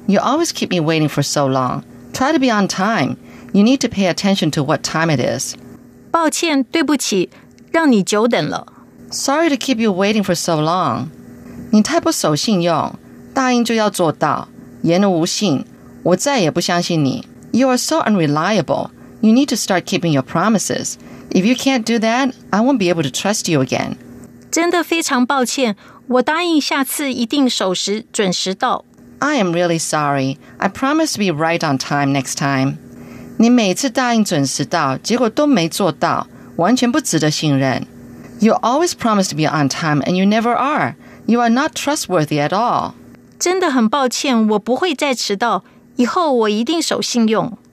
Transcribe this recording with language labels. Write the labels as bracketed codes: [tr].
[en] You always keep me waiting for so long. Try to be on time. You need to pay attention to what time it is. [zh] 抱歉，对不起，让你久等了。 [en] Sorry to keep you waiting for so long. [zh] 你太不守信用，答应就要做到，言而无信，我再也不相信你。 [en] You are so unreliable. You need to start keeping your promises. If you can't do that, I won't be able to trust you again. [zh] 真的非常抱歉。我答应下次一定守时准时到。 [en] I am really sorry. I promise to be right on time next time. [zh] 你每次答应准时到，结果都没做到，完全不值得信任。 [en] You always promise to be on time and you never are. You are not trustworthy at all. [zh] 真的很抱歉，我不会再迟到，以后我一定守信用。